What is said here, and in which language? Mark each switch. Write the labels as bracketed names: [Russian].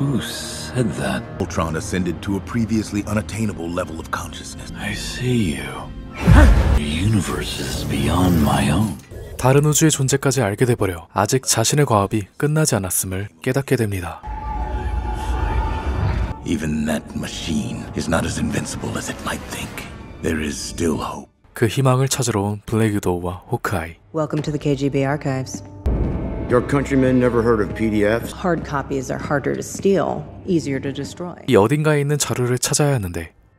[English] Who said that? Ultron ascended to a previously unattainable level of consciousness. I see you. The universe is beyond my own. [Korean] 다른 우주의 존재까지 알게 돼버려 아직 자신의 과업이 끝나지 않았음을 깨닫게 됩니다. [English] Even that machine is not as invincible as it might think. There is still hope. [Korean] 그 희망을 찾으러 온 블랙 위도우와 호크아이. [English] Welcome to the KGB archives. Your countrymen never heard of PDFs? Hard copies are harder to steal, easier to destroy. [Korean] 이 어딘가에 있는 자료를 찾아야 하는데.